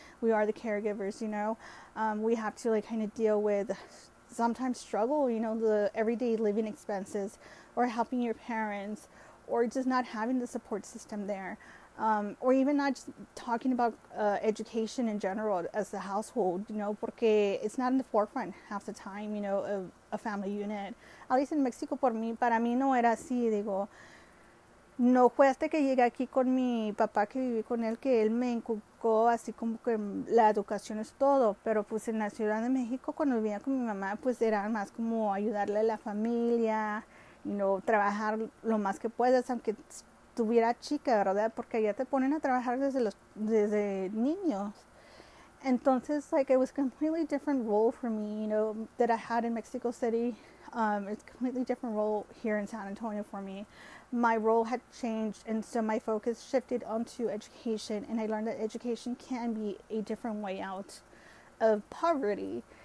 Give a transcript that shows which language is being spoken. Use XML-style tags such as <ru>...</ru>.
<en>We are the caregivers, you know. We have to, like, kind of deal with sometimes struggle, you know, the everyday living expenses or helping your parents or just not having the support system there. Or even not just talking about education in general as a household, you know, porque it's not in the forefront half the time, you know, of a family unit. At least in Mexico,</en> <es>para mí no era así. Digo, no fue hasta que llegué aquí con mi papá que viví con él que él me inculcó así como que la educación es todo. Pero pues en la Ciudad de México, cuando vivía con mi mamá, pues era más como ayudarle a la familia, you know, trabajar lo más que puedas, aunque tuviera chica, ¿verdad? Porque ya te ponen a trabajar desde niños.</es> <en>Entonces, like, it was a completely different role for me, you know, that I had in Mexico City. It's a completely different role here in San Antonio for me. My role had changed, and so my focus shifted onto education, and I learned that education can be a different way out of poverty.</en>